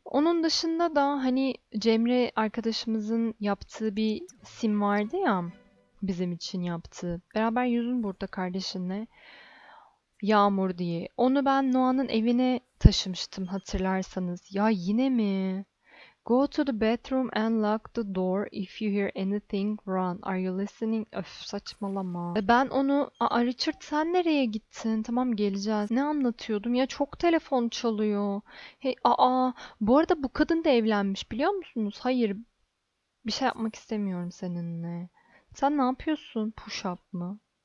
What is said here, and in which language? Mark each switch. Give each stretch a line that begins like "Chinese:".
Turkish: Onun dışında da hani Cemre arkadaşımızın yaptığı bir sim vardı ya bizim için yaptığı. Beraber yüzün burada kardeşinle. Yağmur diye. Onu ben Noah'nın evine taşımıştım hatırlarsanız. Ya yine mi?
English: Go to the bathroom and lock the door if you hear anything run. Are you listening?
Turkish: Öf saçmalama. Ben onu... Aa, Richard sen nereye gittin? Tamam geleceğiz. Ne anlatıyordum? Ya çok telefon çalıyor. Hey, aa, bu arada bu kadın da evlenmiş biliyor musunuz? Hayır. Bir şey yapmak istemiyorum seninle. Sen ne yapıyorsun? Push up mı?